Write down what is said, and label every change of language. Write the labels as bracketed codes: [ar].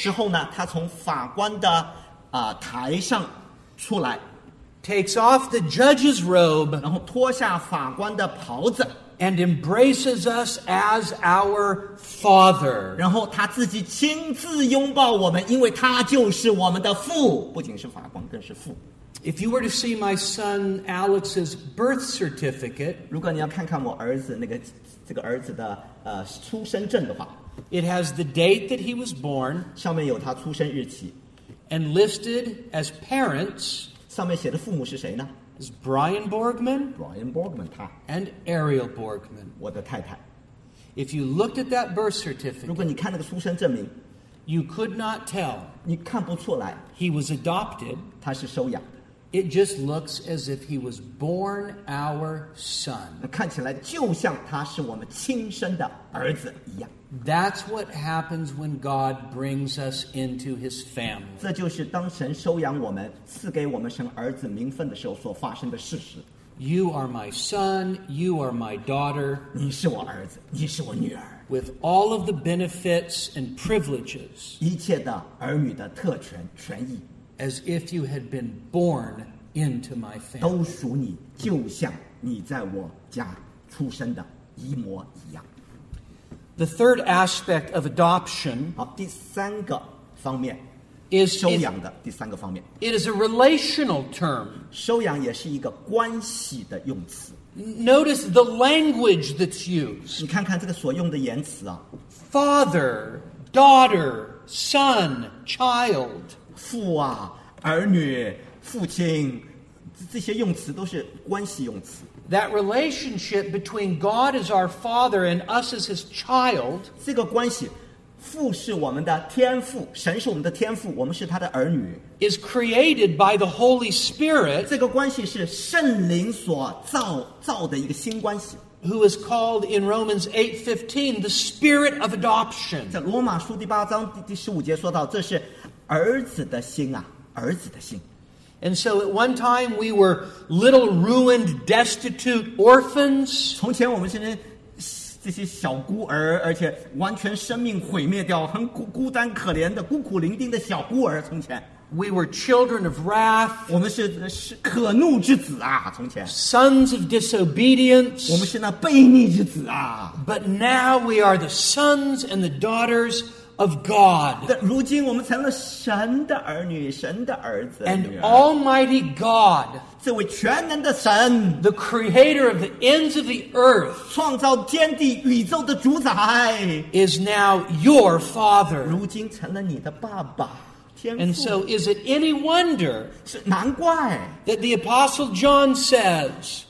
[zh] 之后呢, 他从法官的, 台上出来, [en] takes off the judge's robe, [zh] 然后脱下法官的袍子, [en] and embraces us as our father. [zh] 然后他自己亲自拥抱我们, 因为他就是我们的父, 不仅是法官, 更是父。 [en] If you were to see my son Alex's birth certificate, [zh] 如果你要看看我儿子那个, 这个儿子的, 出生证的话, [en] it has the date that he was born, [zh] 上面有他出生日期, [en] and listed as parents, [zh] 上面写的父母是谁呢? [en] It's Brian Borgman. [zh] Brian Borgman, 他, [en] and Ariel Borgman. [zh] 我的太太. [en] If you looked at that birth certificate, [zh] 如果你看那个出生证明, [en] you could not tell. [zh] 你看不出来, [en] he was adopted. [zh] 他是收养的. [en] It just looks as if he was born our son. [zh] 看起来就像他是我们亲生的儿子一样. [en] That's what happens when God brings us into his family. [zh] 这就是当神收养我们, 赐给我们神儿子名分的时候所发生的事实。 [en] You are my son, you are my daughter. [zh] 你是我儿子, 你是我女儿。 [en] With all of the benefits and privileges. [zh] 一切的儿女的特权, 权益。 [en] As if you had been born into my family. [zh] 都属你, 就像你在我家出生的一模一样。 [en] The third aspect of adoption, [zh] 好,第三个方面, [en] is [zh] 收养的第三个方面, [en] it is a relational term. [zh] 收养也是一个关系的用词。 [en] Notice the language that's used. [zh] 你看看这个所用的言辞啊, [en] father, daughter, son, child. [zh] 父啊, 儿女, 父亲, 这些用词都是关系用词。 [en] That relationship between God as our Father and us as His child, [zh] 这个关系, 父是我们的天父, 神是我们的天父, 我们是他的儿女, [en] is created by the Holy Spirit, [zh] 这个关系是圣灵所造的一个新关系, [en] who is called in Romans 8:15 the Spirit of Adoption. [zh] 在罗马书第八章第十五节说到, 这是儿子的心啊, 儿子的心。 [en] And so at one time we were little ruined, destitute orphans. [zh] 从前我们现在这些小孤儿, 而且完全生命毁灭掉, 很孤单可怜的, 孤苦伶仃的小孤儿, 从前。 [en] We were children of wrath. [zh] 我们是可怒之子啊, 从前。 [en] Sons of disobedience. [zh] 我们是那悖逆之子啊。 [en] But now we are the sons and the daughters of God. [zh] 如今我们成了神的儿女, 神的儿子, [en] and Almighty God, [zh] 这位全能的神, [en] the creator of the ends of the earth, [zh] 创造天地宇宙的主宰, [en] is now your father. [zh] 如今成了你的爸爸, [en] and so is it any wonder [zh] 是难怪, [en] that the Apostle John says,